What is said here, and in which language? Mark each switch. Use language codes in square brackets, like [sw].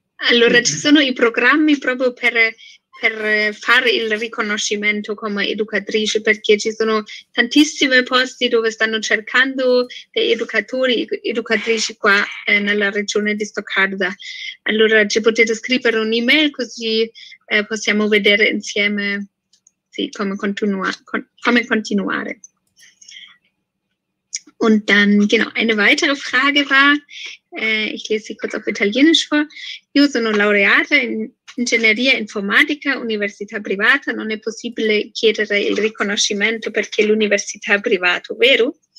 [it] Allora ci sono i programmi proprio per fare il riconoscimento come educatrice, perché ci sono tantissimi posti dove stanno cercando dei educatori, educatrici qua nella regione di Stoccarda. Allora ci potete scrivere un'email così possiamo vedere insieme sì, come continuare. [de] Und dann, genau, eine weitere Frage war, ich lese sie kurz auf Italienisch vor. [it] Io sono laureata in Ingegneria Informatica, Università Privata. Non è possibile chiedere il riconoscimento perché l'Università Privata, vero?